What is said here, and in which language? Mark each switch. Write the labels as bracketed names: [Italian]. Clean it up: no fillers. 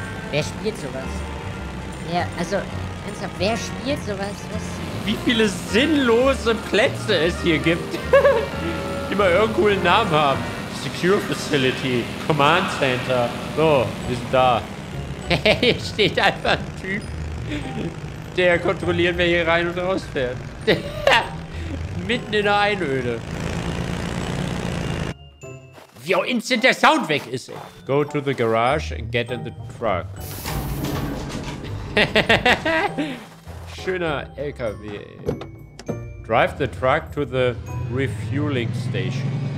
[German] Wer spielt sowas? Ja, also, ernsthaft, wer spielt sowas? Was? Wie viele sinnlose Plätze es hier gibt, die mal irgendeinen coolen Namen haben. [English] Secure Facility, Command Center. [German] So, wir sind da. Hey, hier steht einfach ein Typ. Der kontrolliert, wer hier rein und raus fährt. Mitten in der Einöde. Wie auch instant der Sound weg ist, ey. [English] Go to the garage and get in the truck. [German] Schöner LKW, ey. [English] Drive the truck to the refueling station.